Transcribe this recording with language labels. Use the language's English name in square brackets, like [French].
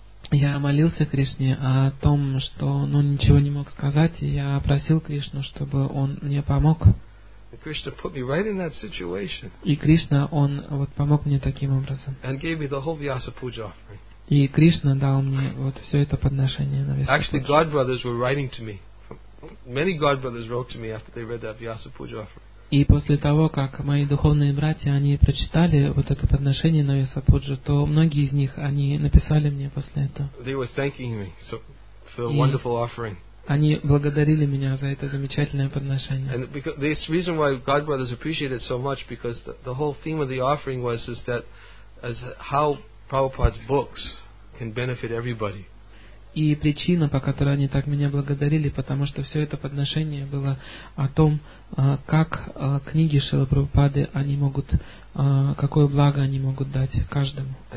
[Russian] Я молился Кришне о том, что ничего не мог сказать, и я просил Кришну, чтобы он мне помог. [English] And Krishna put me right in that situation. [Russian] И Кришна, он вот помог мне таким образом. [English] And gave me the whole Vyasa Puja offering. [Russian] И Кришна дал мне вот все это подношение на Vyasa Puja. [English] Actually, God brothers were writing to me. Many God brothers wrote to me after they read that Vyasa Puja offering. [Russian] И после того, как мои духовные братья, они прочитали вот это подношение на Веса Пуджу, то многие из них, они написали мне после этого. [English] They were thanking me for a wonderful offering. [Russian] Они благодарили меня за это замечательное подношение. [English] And this reason why God brothers appreciate it so much, because the whole theme of the offering was is that as how Prabhupada's books can benefit everybody. [Russian] И причина, по которой они так меня благодарили, потому что все это подношение было о том, как книги Шрилы Прабхупады, они могут, какое благо они могут дать каждому.